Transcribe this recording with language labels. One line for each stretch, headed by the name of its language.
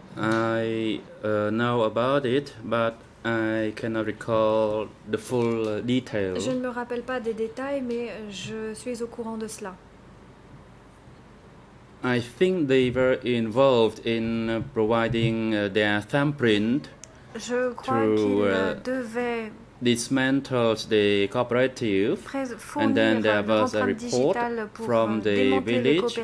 English: I know about it, but I cannot recall the full details.
French: Je ne me rappelle pas des détails, mais je suis au courant de cela.
English: I think they were involved in providing their thumbprint.
French: Je crois qu'ils devaient
English: dismantled the cooperative, and then there was a report from the village,